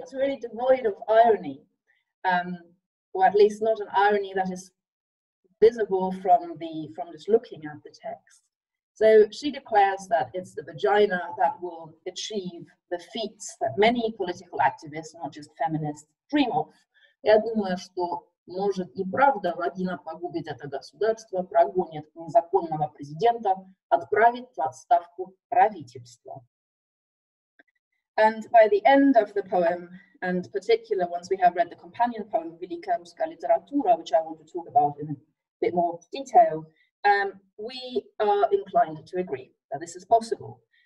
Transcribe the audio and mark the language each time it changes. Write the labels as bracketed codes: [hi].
[en] It's really devoid of irony, or at least not an irony that is visible from just looking at the text. So she declares that it's the vagina that will achieve the feats that many political activists, not just feminists, dream of. [ru] Я думаю, что может и правда вагина погубит это государство, прогонит незаконного президента, отправит в отставку правительство. [en] And by the end of the poem, and particularly once we have read the companion poem, Velikaruska Literatura, which I want to talk about in a bit more detail, we are inclined to agree that this is possible.